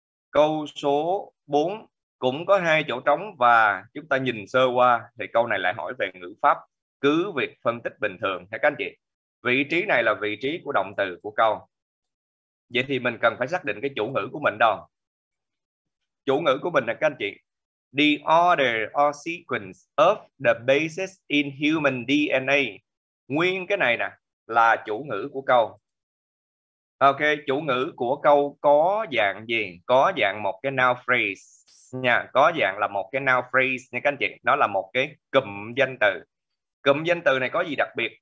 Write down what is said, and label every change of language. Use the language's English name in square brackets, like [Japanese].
[Vietnamese] Câu số 4 cũng có hai chỗ trống và chúng ta nhìn sơ qua thì câu này lại hỏi về ngữ pháp, cứ việc phân tích bình thường các anh chị. Vị trí này là vị trí của động từ của câu. Vậy thì mình cần phải xác định cái chủ ngữ của mình đâu. Chủ ngữ của mình là các anh chị. [English] The order or sequence of the bases in human DNA. [Vietnamese] Nguyên cái này nè là chủ ngữ của câu. Ok, chủ ngữ của câu có dạng gì? Có dạng một cái noun phrase nha, có dạng là một cái noun phrase nha các anh chị. Nó là một cái cụm danh từ. Cụm danh từ này có gì đặc biệt?